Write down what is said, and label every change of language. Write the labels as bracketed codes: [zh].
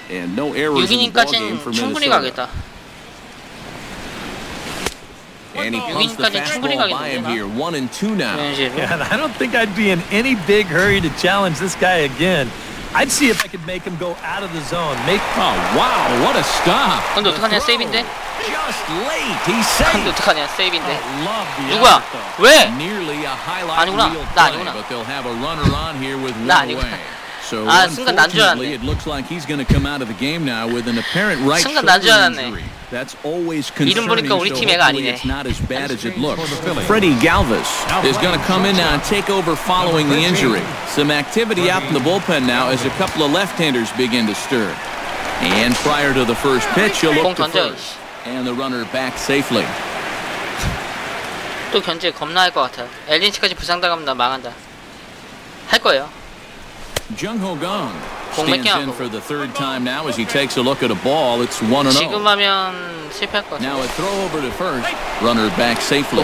[en] And no errors in the ballgame for Minnesota. And he puts the fastball by him here, 1 and 2 now. Yeah, I don't think I'd be in any big hurry to challenge this guy again. I'd see if I could make him go out of the zone. Make... Oh, wow, what a stop! [ko] 근데 어떡하냐, 세이브인데? [en] Just late, he saved! [ko] 근데 어떡하냐, 세이브인데? 누구야? 왜? 아니구나, 나 아니구나. [en] But they'll have a runner on here with one away. [ko] 아 순간 난 줄 알았네. [en] It looks like he's going to come out of the game now with an apparent right shoulder injury. That's always concerning. [ko] 우리 팀 애가 아니네. [en] It's not as bad as it looks. Freddy Galvis is going to come in now and take over following the injury. Some activity out in the bullpen now as a couple of left-handers begin to stir. And prior to the first pitch, you look to first. And the runner back safely. [ko] 또 견제 겁나 할 것 같아. 엘린치까지 부상당하면 나 망한다. 할 거예요. [en] Jung-ho Gong stands in for the third time now as he takes a look at a ball. It's 1-0. [ko] 지금 하면 실패할 것 같아. [en] Now a throw over to first. Runner back safely.